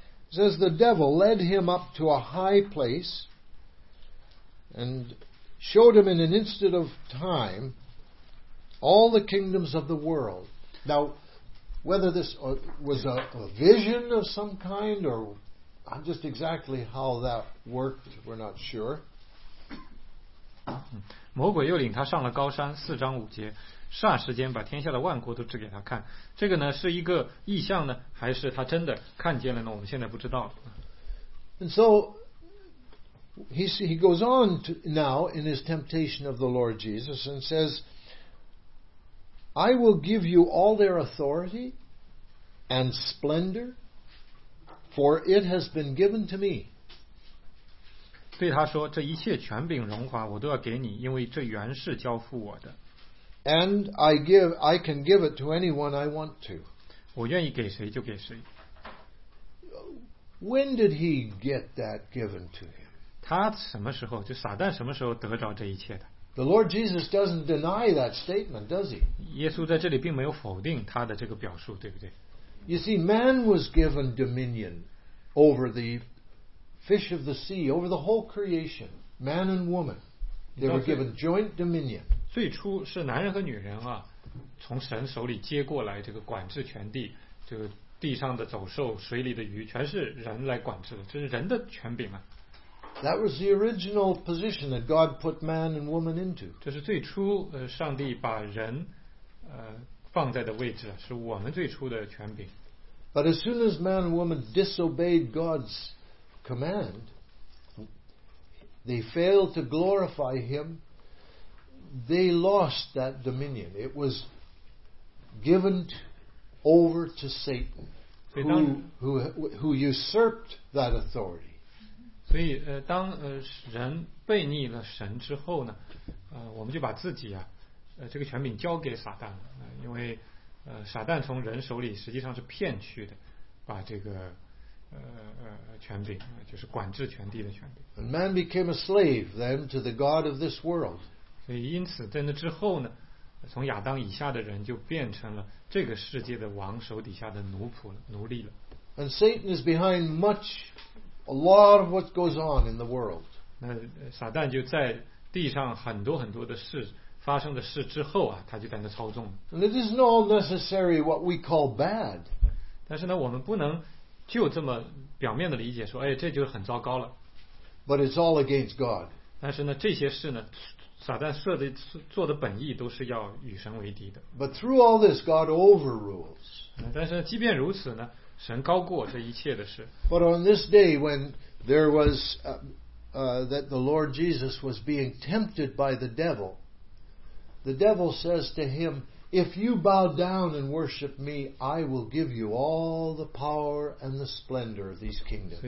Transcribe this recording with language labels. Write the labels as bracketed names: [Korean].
[English] It says the devil led him up to a high place and showed him in an instant of time all the kingdoms of the world. Now, whether this was a vision of some kind or just exactly how that worked, we're not sure. [Chinese] 魔鬼又领他上了高山四章五节霎时间把天下的万国都指给他看这个呢是一个异象呢还是他真的看见了呢我们现在不知道 [English] And so he goes on to now in his temptation of the Lord Jesus and says I will give you all their authority and splendor for it has been given to me [Chinese] 对他说这一切权柄荣华我都要给你因为这原是交付我的 [English] And I can give it to anyone I want to [Chinese] 我愿意给谁就给谁 [English] When did he get that given to him? [Chinese] 他什么时候就撒旦什么时候得着这一切的 [English] The Lord Jesus doesn't deny that statement, does he? [Chinese] 耶稣在这里并没有否定他的这个表述对不对 [English] You see, man was given dominion over the fish of the sea over the whole creation man and woman they were given joint dominion [Chinese] 最初是男人和女人啊从神手里接过来这个管制全地这个地上的走兽水里的鱼全是人来管制的这是人的权柄啊 [English] that was the original position that God put man and woman into [Chinese] 这是最初、上帝把人、放在的位置是我们最初的权柄 [English] but as soon as man and woman disobeyed God's command they failed to glorify him, they lost that dominion. It was given over to Satan, who usurped that authority. [Chinese] 所以当人背逆了神之后呢，我们就把自己啊，这个权柄交给撒旦了，因为撒旦从人手里实际上是骗去的，把这个权柄，就是管制全地的权柄。 [English] And man became a slave then to the god of this world. [Chinese] 所以因此在那之后呢，从亚当以下的人就变成了这个世界的王手底下的奴仆了，奴隶了。 [English] And Satan is behind much, a lot of what goes on in the world. [Chinese] 那撒旦就在地上很多很多的事发生的事之后啊，他就在那操纵。 [English] And it is not necessary what we call bad. [Chinese] 但是呢，我们不能就这么表面的理解说，哎，这就很糟糕了。 [English] But it's all against God. [Chinese] 但是呢，这些事呢，撒旦设的做的本意都是要与神为敌的。 [English] But through all this, God overrules. [Chinese] 但是即便如此呢，神高过这一切的事。 [English] But on this day when there was that the Lord Jesus was being tempted by the devil, the devil says to him, "If you bow down and worship me, I will give you all the power and the splendor of these kingdoms."